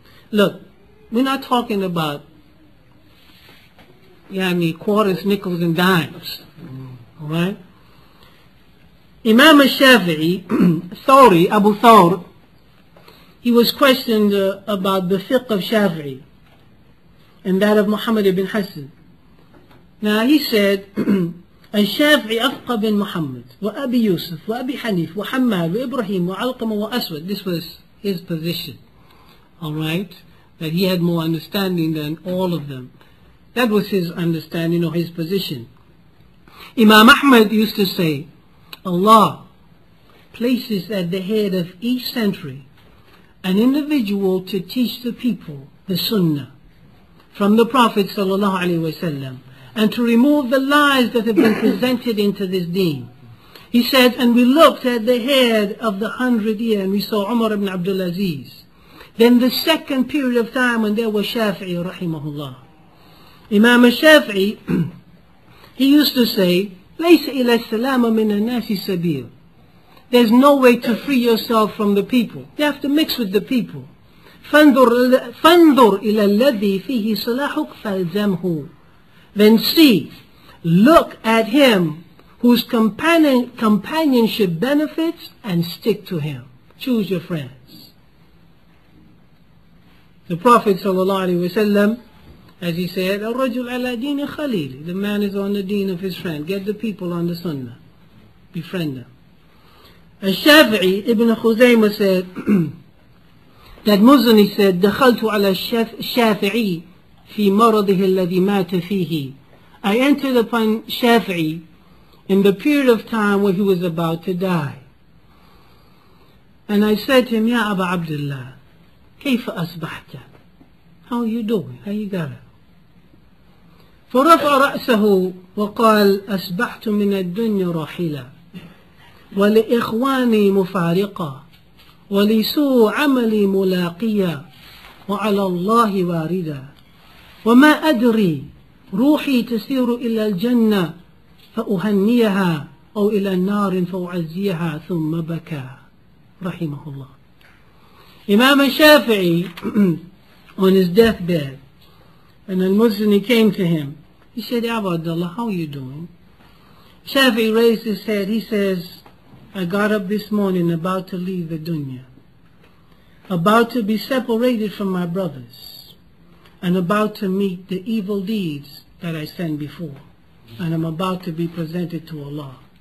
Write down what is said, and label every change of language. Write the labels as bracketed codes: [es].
[en] Look, we're not talking about quarters, nickels, and dimes. Alright? Imam Shafi'i, Abu Thawr, he was questioned about the fiqh of Shafi'i and that of Muhammad ibn Hassan. Now he said, [ar] الشافعي أفقى بن محمد وأبي يوسف وأبي حنيف وحماد وإبراهيم وعلقمة وأسود. [en] This was his position, all right? That he had more understanding than all of them. That was his understanding or his position. Imam Ahmad used to say, Allah places at the head of each century an individual to teach the people the sunnah from the Prophet sallallahu alaihi wasallam, and to remove the lies that have been presented into this deen. He said, and we looked at the head of the 100 year and we saw Umar ibn Abdul Aziz. Then the second period of time when there was Shafi'i rahimahullah. Imam Shafi'i, he used to say, [ar] لَيْسَ إِلَى السَّلَامَ مِنَ النَّاسِ سَبِيلٌ. [en] There's no way to free yourself from the people. You have to mix with the people. [ar] فانظر إلى الذي فيه صلاحك فالزمه. [en] Then see, look at him whose companionship benefits and stick to him. Choose your friends. The Prophet [ar] صلى الله عليه وسلم, [en] as he said, [ar] الرجل على دين خليل. [en] The man is on the deen of his friend. Get the people on the sunnah. Befriend them. [ar] الشافعي ابن خزيمة [en] said that Muzani said [ar] دخلت على الشافعي في مرضه الذي مات فيه. [en] I entered upon Shafi'i in the period of time where he was about to die. And I said to him, Ya Aba Abdullah, [ar] كيف أصبحت? [en] How are you doing? How you got it? [ar] فرفع رأسه وقال أصبحت من الدنيا راحلا ولإخواني مفارقة ولسوء عملي ملاقيا وعلى الله واردا وما أدري روحي تسير إلى الجنة فأهنيها أو إلى النار فأعزيها ثم بكى رحمه الله. [en] إمام الشافعي on his deathbed and the Muzani came to him. He said, Abu Abdullah, how are you doing? Shafi'i raised his head. He says, I got up this morning about to leave the dunya, about to be separated from my brothers, and about to meet the evil deeds that I sent before, and I'm about to be presented to Allah.